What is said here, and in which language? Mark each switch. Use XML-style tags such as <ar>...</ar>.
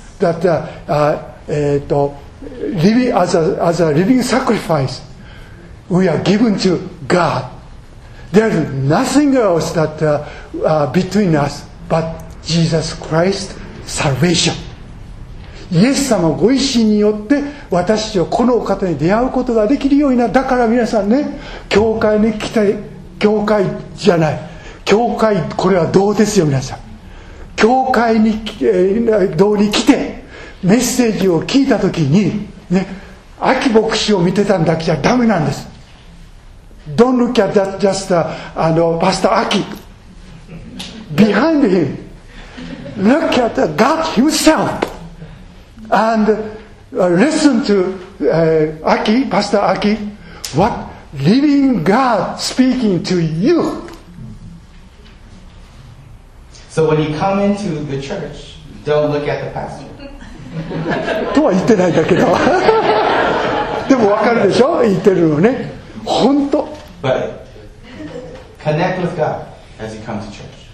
<en>That living as a living sacrifice, we are given to God. There is nothing else that between us but Jesus Christ salvation.</en> <ja>イエス様ご意志によって私をこのお方に出会うことができるようになる。だから皆さんね、教会に来て、教会じゃない教会、これはどうですよ皆さん、教会に、堂に来てメッセージを聞いたときにね、秋牧師を見てたんだけじゃダメなんです。</ja> <en>Don't look at that just Pastor Aki. Behind him, look at God himself. And listen to Aki, Pastor Aki, what living God speaking to you. So when you come into the church, don't look at the pastor.</en> <ja>とは言ってないんだけど。でも分かるでしょ、言ってるのね。本当。</ja> <en>But connect with God as you come to church.</en>